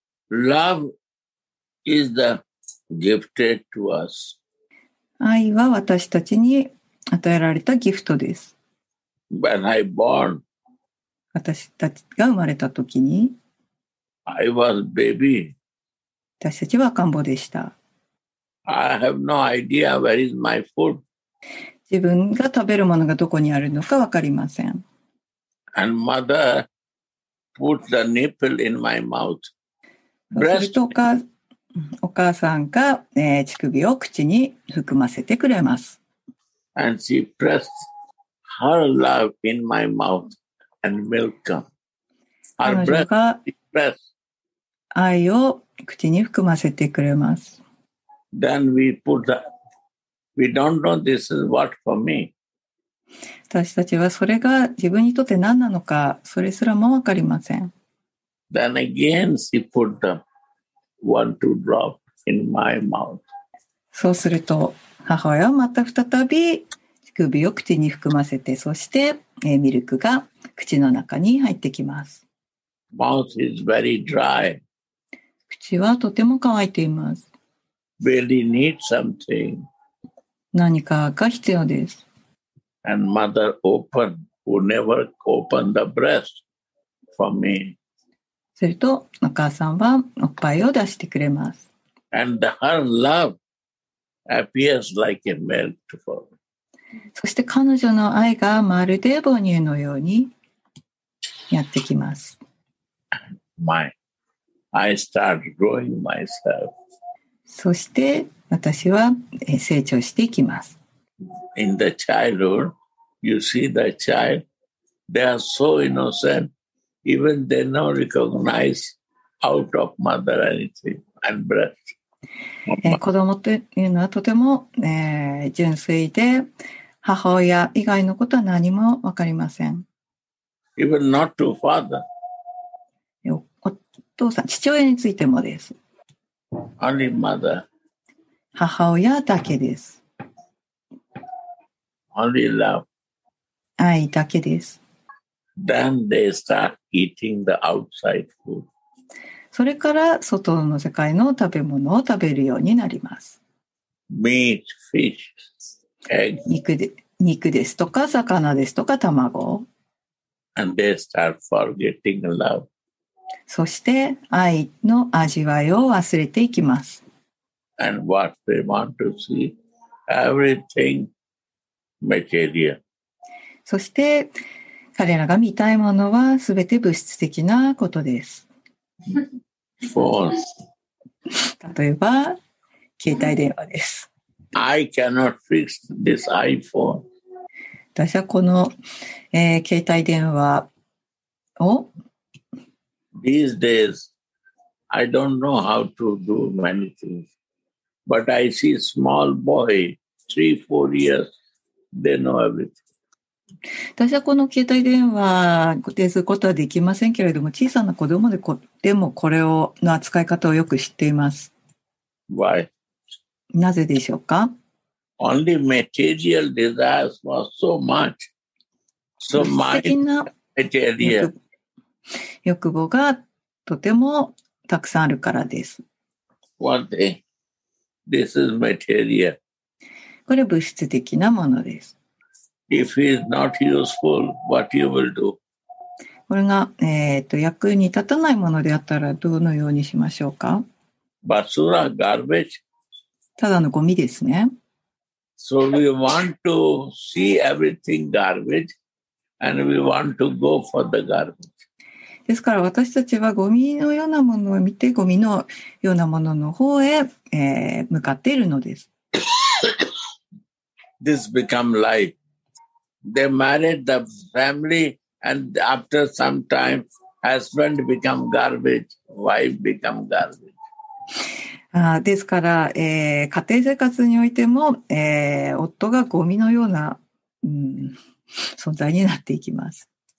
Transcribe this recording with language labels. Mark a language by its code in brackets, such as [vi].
[en] Love is the gifted to us. [ja] 愛は私たちに与えられたギフトです。 [en] When I born, [ja] 私たちが生まれた時に、 [en] I was baby. [ja] 私たちは赤ん坊でした。 [en] I have no idea where is my food. [ja] 自分が食べるものがどこにあるのか分かりません。 [en] And mother put the nipple in my mouth. [ja] それとお母さんが、乳首を口に含ませてくれます。 [en] And she pressed her love in my mouth and milk come. Her breast pressed. [ja] 愛を口に含ませてくれます。 [en] Then we put theWe don't know this is what for me. [ja] 私たちはそれが自分にとって何なのか、それすらも分かりません。 [en] Then again she put the one, two drop in my mouth. [ja] そうすると、母親はまた再び乳首を口に含ませて、そしてミルクが口の中に入ってきます。 [en] Mouth is very dry. [ja] 口はとても乾いています。 [en] Really need something. [ja] 何かが必要です。 [en] And mother open, who never opened the breast for me. [ja] すると、お母さんはおっぱいを出してくれます。 [en] And her love appears like a milk for me. [ja] そして彼女の愛がまるで母乳のようにやってきます。 [en] My, I start growing myself. [ja] そして私は成長していきます。 [en] In the childhood you see the child, they are so innocent, even they don't recognize out of mother anything and breath. [ja] 子供というのはとても、純粋で、母親以外のことは何も分かりません。 [en] Even not to father. [ja] お父さん、父親についてもです。 [en] Only mother. [ja] 母親だけです。 [en] Only love. [ja] 愛だけです。 [en] Then they start eating the outside food. [ja] それから外の世界の食べ物を食べるようになります。 [en] Meat, fish, egg. [ja] 肉ですとか魚ですとか卵。 [en] And they start forgetting love. [ja] そして愛の味わいを忘れていきます。 [en] And what they want to see, everything material. [ja] そして彼らが見たいものはすべて物質的なことです。 [en] Force. [ja] 例えば携帯電話です。 [en] I cannot fix this iPhone. [ja] 私はこの、携帯電話を [en] These days I don't know how to do many things, but I see small boy 3-4 years they know everything. [ja] 私はこの携帯電話を固定することはできませんけれども、小さな子供で、でもこれをの扱い方をよく知っています。 [en] Why? [ja] なぜでしょうか? [en] Only material desires for so much. So much material. [ja] 欲望がとてもたくさんあるからです。 [en] One day, this is material. [ja] これは物質的なものです。 [en] If he is not useful, what you will do? [ja] これが、役に立たないものであったらどのようにしましょうか? [en] Basura, garbage. [ja] ただのゴミですね。 [en] So we want to see everything garbage, and we want to go for the garbage. [ja] ですから私たちはゴミのようなものを見て、ゴミのようなものの方へ、向かっているのです。 [en] This become life. They married the family and after some time, husband become garbage, wife become garbage. [ja] ですから、家庭生活においても、夫がゴミのような、存在になっていきます。